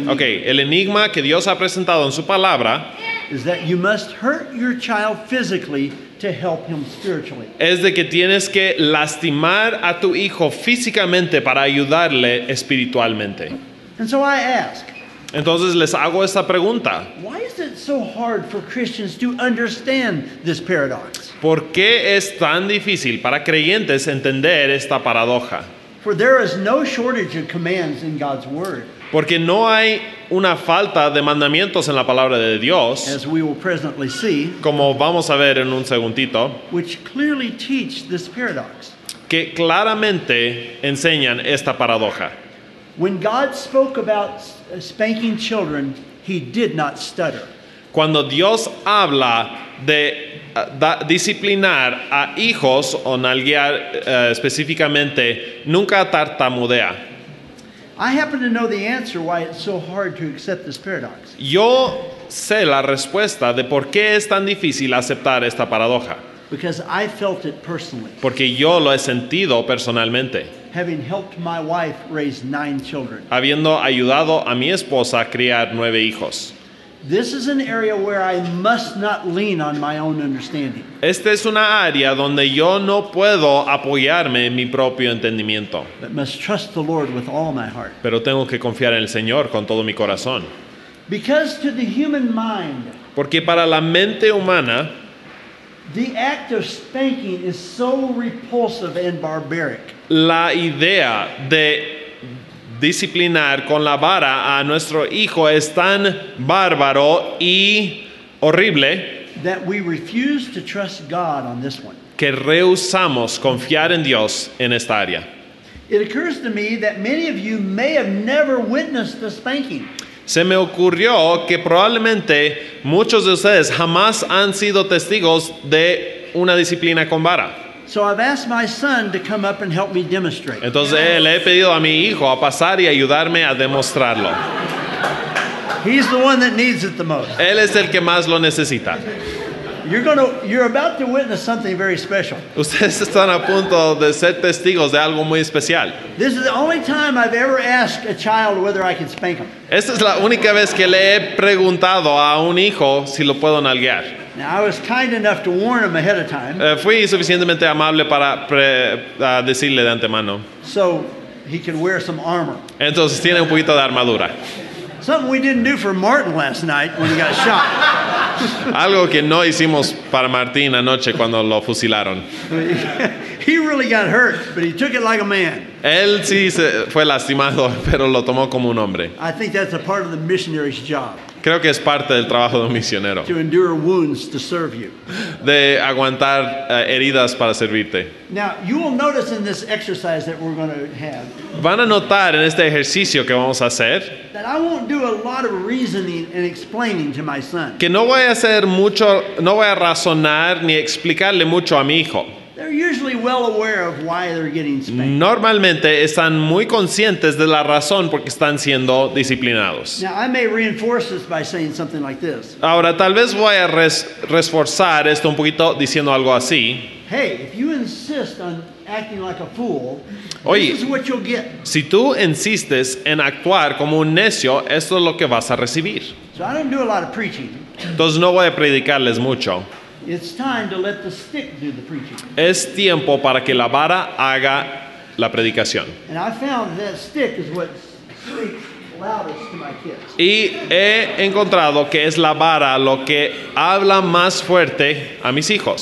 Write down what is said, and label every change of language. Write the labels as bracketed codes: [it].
[es] Okay, el enigma que Dios ha presentado en su palabra [en] is that you must hurt your child physically to help him spiritually. [es] Es de que tienes que lastimar a tu hijo físicamente para ayudarle espiritualmente. [en] And so I ask. [es] Entonces les hago esta pregunta. [en] Why is it so hard for Christians to understand this paradox? [es] ¿Por qué es tan difícil para creyentes entender esta paradoja? [en] For there is no shortage of commands in God's word. [es] Porque no hay una falta de mandamientos en la palabra de Dios, [en] as we will presently see, [es] como vamos a ver en un segundito, [en] which clearly teach this paradox. [es] Que claramente enseñan esta paradoja. [en] When God spoke about spanking children, He did not stutter. [es] Cuando Dios habla de disciplinar a hijos o nalguear específicamente, nunca tartamudea. [en] I happen to know the answer why it's so hard to accept this paradox. [es] Yo sé la respuesta de por qué es tan difícil aceptar esta paradoja. [en] Because I felt it personally. [es] Porque yo lo he sentido personalmente. [en] Having helped my wife raise 9 children. [es] Habiendo ayudado a mi esposa a criar 9 hijos. [en] This is an area where I must not lean on my own understanding. [es] Esta es una área donde yo no puedo apoyarme en mi propio entendimiento. [en] But must trust the Lord with all my heart. [es] Pero tengo que confiar en el Señor con todo mi corazón. [en] Because to the human mind. [es] Porque para la mente humana. [en] The act of spanking is so repulsive and barbaric. [es] La idea de disciplinar con la vara a nuestro hijo es tan bárbaro y horrible [en] that we refuse to trust God on this one. [es] Que rehusamos confiar en Dios en esta área. [en] It occurs to me that many of you may have never witnessed the spanking. [es] Se me ocurrió que probablemente muchos de ustedes jamás han sido testigos de una disciplina con vara. [en] So I've asked my son to come up and help me demonstrate. [es] Entonces le he pedido a mi hijo a pasar y ayudarme a demostrarlo. [en] He's the one that needs it the most. [es] Él es el que más lo necesita. [en] You're about to witness something very special. [es] Ustedes están a punto de ser testigos de algo muy especial. [en] This is the only time I've ever asked a child whether I can spank him. [es] Esta es la única vez que le he preguntado a un hijo si lo puedo nalguear. [en] Now, I was kind enough to warn him ahead of time. [es] Fui suficientemente amable para decirle de antemano. [en] So he can wear some armor. [es] Entonces tiene un poquito de armadura. [en] Something we didn't do for Martin last night when he got shot. [es] Algo que no hicimos para Martín anoche cuando lo fusilaron. [en] He really got hurt, but he took it like a man. [es] Él sí fue lastimado, pero lo tomó como un hombre. [en] I think that's a part of the missionary's job. [es] Creo que es parte del trabajo de un misionero. [en] To endure wounds to serve you. [es] De aguantar heridas para servirte. [en] Now, you will notice in this exercise that we're going to have. [es] Van a notar en este ejercicio que vamos a hacer. [en] That I won't do a lot of reasoning and explaining to my son. [es] Que no voy a hacer mucho, no voy a razonar ni explicarle mucho a mi hijo. [en] They're usually well aware of why they're getting spanked. [es] Normalmente están muy conscientes de la razón por qué están siendo disciplinados. [en] Now, I may reinforce this by saying something like this. [es] Ahora, tal vez voy a reforzar esto un poquito diciendo algo así. [en] Hey, if you insist on acting like a fool, [es] oye, [en] this is what you'll get. [es] Si tú insistes en actuar como un necio, esto es lo que vas a recibir. [en] So I don't do a lot of preaching. [es] Entonces no voy a predicarles mucho. [en] It's time to let the stick do the preaching. [es] Es tiempo para que la vara haga la predicación. [en] And I found that stick is what speaks loudest to my kids. [es] Y he encontrado que es la vara lo que habla más fuerte a mis hijos.